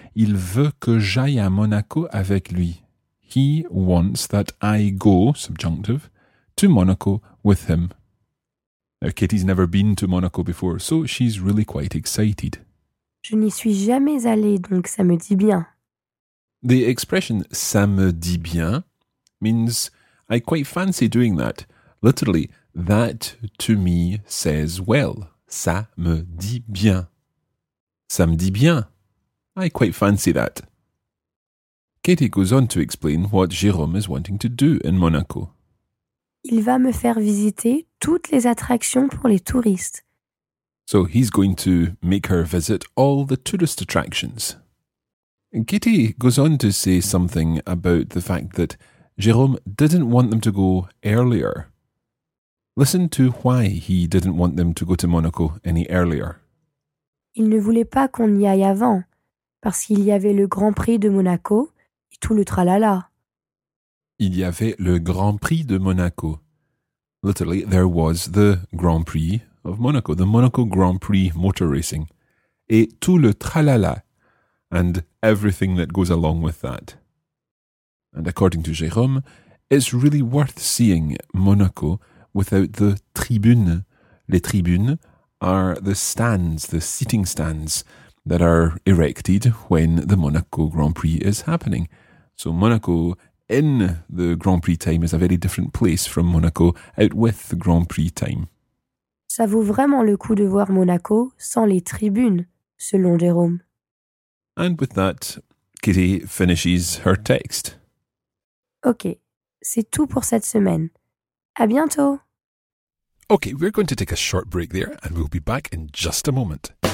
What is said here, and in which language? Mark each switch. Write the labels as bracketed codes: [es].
[fr] Il veut que j'aille à Monaco avec lui. [en] He wants that I go, subjunctive, to Monaco with him. Now, Kitty's never been to Monaco before, so she's really quite excited. [fr] Je n'y suis jamais allée, donc ça me dit bien. [en] The expression [fr] ça me dit bien [en] means I quite fancy doing that. Literally, that to me says well. [fr] Ça me dit bien. Ça me dit bien. [en] I quite fancy that. Katie goes on to explain what Jérôme is wanting to do in Monaco. [fr] Il va me faire visiter toutes les attractions pour les touristes. [en] So he's going to make her visit all the tourist attractions. Kitty goes on to say something about the fact that Jérôme didn't want them to go earlier. Listen to why he didn't want them to go to Monaco any earlier. [fr] Il ne voulait pas qu'on y aille avant, parce qu'il y avait le Grand Prix de Monaco et tout le tralala. Il y avait le Grand Prix de Monaco. [en] Literally, there was the Grand Prix of Monaco, the Monaco Grand Prix motor racing, [fr] et tout le tralala, [en] and everything that goes along with that. And according to Jérôme, it's really worth seeing Monaco without the tribunes. Les tribunes are the stands, the seating stands, that are erected when the Monaco Grand Prix is happening. So Monaco in the Grand Prix time is a very different place from Monaco out with the Grand Prix time. [fr] Ça vaut vraiment le coup de voir Monaco sans les tribunes, selon Jérôme. [en] And with that, Kitty finishes her text. [fr] Ok, c'est tout pour cette semaine. À bientôt! [en] Ok, we're going to take a short break there and we'll be back in just a moment.